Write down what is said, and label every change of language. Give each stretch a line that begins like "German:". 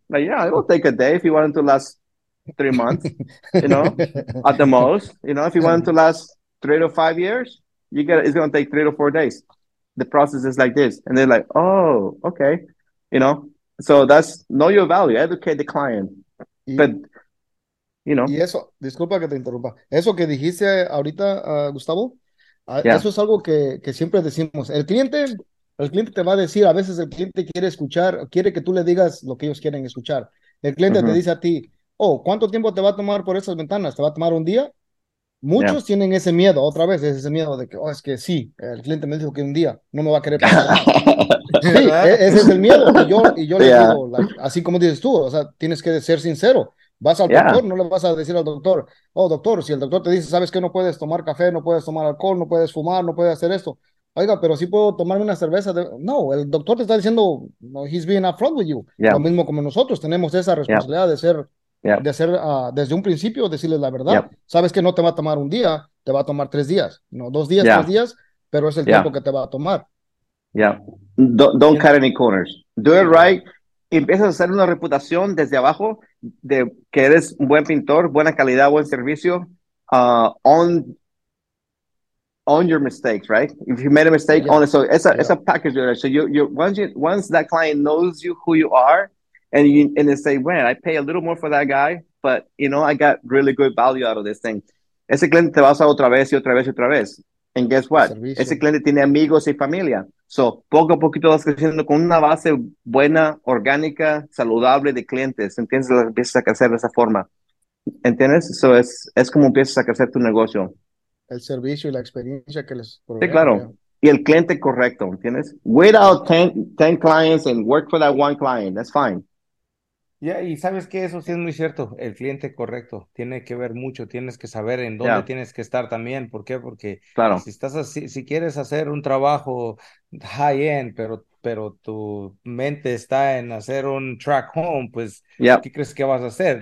English: Like, yeah, it will take a day if you want it to last 3 months. You know, at the most, you know, if you want it to last 3 to 5 years, you get it's going to take 3 to 4 days. The process is like this. And they're like, oh, okay. You know, so that's know your value, educate the client. But, you know.
Spanish: eso, disculpa que te interrumpa, eso que dijiste ahorita, Gustavo, eso es algo que siempre decimos. El cliente te va a decir, a veces el cliente quiere escuchar, quiere que tú le digas lo que ellos quieren escuchar. El cliente te dice a ti, oh, ¿cuánto tiempo te va a tomar por esas ventanas? ¿Te va a tomar un día? Muchos tienen ese miedo, otra vez, ese miedo de que, oh, es que sí, el cliente me dijo que un día no me va a querer pagar más. Sí, ¿Verdad? ese es el miedo. Y yo les digo, like, así como dices tú, o sea, tienes que ser sincero. Vas al doctor, no le vas a decir al doctor, oh, doctor, si el doctor te dice, ¿sabes qué? No puedes tomar café, no puedes tomar alcohol, no puedes fumar, no puedes hacer esto. Oiga, pero sí puedo tomarme una cerveza. No, el doctor te está diciendo, no,
English: he's being upfront with you.
Spanish: Lo mismo como nosotros, tenemos esa responsabilidad de ser. De hacer desde un principio, decirles la verdad. Sabes que no te va a tomar un día, te va a tomar 3 días, no 2 días, 3 días, pero es el tiempo que te va a tomar.
English: Don't cut any corners. Do it right.
Spanish: Empiezas a hacer una reputación desde abajo de que eres un buen pintor, buena calidad, buen servicio.
English: On your mistakes, right? If you made a mistake, on it. So it's a package. So you once that client knows you who you are, and they say, "Man, I pay a little more for that guy, but you know, I got really good value out of this thing."
Spanish: Ese cliente te va a usar otra vez y otra vez y otra vez.
English: And guess what?
Spanish: Ese cliente tiene amigos y familia. So, poco a poquito vas creciendo con una base buena, orgánica, saludable de clientes. ¿Entiendes? Lo empiezas a crecer de esa forma. ¿Entiendes? So, es como empiezas a crecer tu negocio. El servicio y la experiencia que les provee. Sí, claro. Y el cliente correcto, ¿entiendes?
English: Without 10 clients and work for that one client, that's fine.
Spanish: Yeah, y sabes que eso sí es muy cierto, el cliente correcto tiene que ver mucho, tienes que saber en dónde tienes que estar también, ¿por qué? Porque claro, si estás así, si quieres hacer un trabajo high end, pero tu mente está en hacer un track home, pues ¿qué crees que vas a hacer?